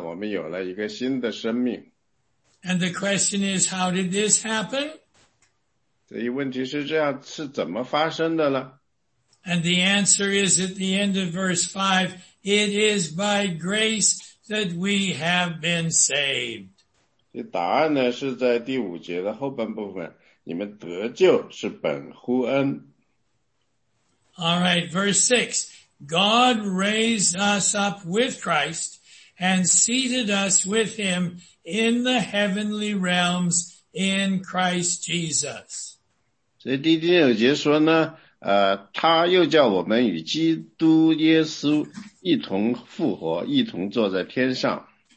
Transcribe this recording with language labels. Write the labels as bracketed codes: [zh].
[zh] 所以这里讲的呢，是我们重生了，这是一个我们不再被世界、被肉体、被恶魔控制，因为我们重生了，我们有了一个新的生命。 [en] And the question is, how did this happen? [zh] 所以问题是这样，是怎么发生的呢？ [en] And the answer is at the end of verse 5, it is by grace that we have been saved. [zh] 答案呢是在第五节的后半部分，你们得救是本乎恩。 [en] All right, verse 6. God raised us up with Christ and seated us with him in the heavenly realms in Christ Jesus. [zh] 所以第六节说呢， 他又叫我们与基督耶稣一同复活，一同坐在天上。